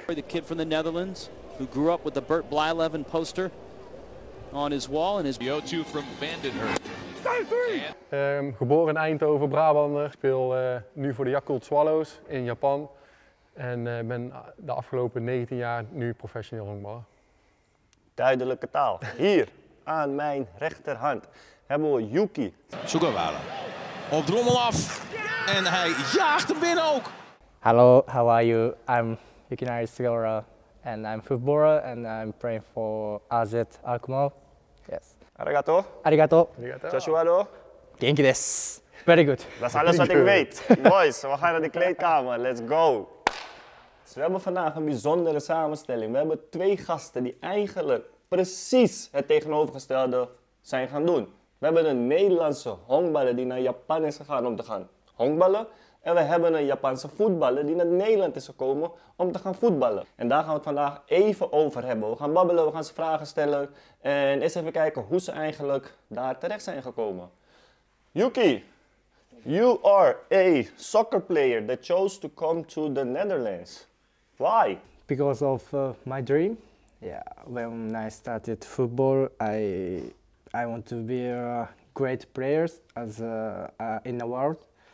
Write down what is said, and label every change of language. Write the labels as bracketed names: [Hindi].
[English] The kid from the Netherlands, who grew up with the Bert Blyleven poster on his wall and his... The O2 from Vandenhurk. [Dutch] Geboren in Eindhoven, Brabander. Speel nu voor de Yakult Swallows in Japan. En ben de afgelopen 19 jaar nu professioneel honkballer. Duidelijke taal. Hier, aan mijn rechterhand, hebben we Yuki. Sugawara. Op drommel af. En hij jaagt hem binnen ook. [English] Hallo, how are you? I'm Yuki Nari Sugawara. And I'm footballer and I'm praying for AZ Alkmaar. Yes. [Japanese] Arigato. Arigato. Joshuado. Genki desu. [English] Very good. [Dutch] Dat is alles wat ik weet. Boys, we gaan naar de kleedkamer. [English] Let's go. [Dutch] Dus we hebben vandaag een bijzondere samenstelling. We hebben 2 gasten die eigenlijk precies het tegenovergestelde zijn gaan doen. We hebben een Nederlandse honkballer die naar Japan is gegaan om te gaan honkballen. En we hebben een Japanse voetballer die naar Nederland is gekomen om te gaan voetballen. En daar gaan we het vandaag even over hebben. We gaan babbelen, we gaan ze vragen stellen. En eens even kijken hoe ze eigenlijk daar terecht zijn gekomen. [English] Yuki, you are a soccer player that chose to come to the Netherlands. Why? Because of my dream. Yeah, when I started football, I want to be a great player in the world.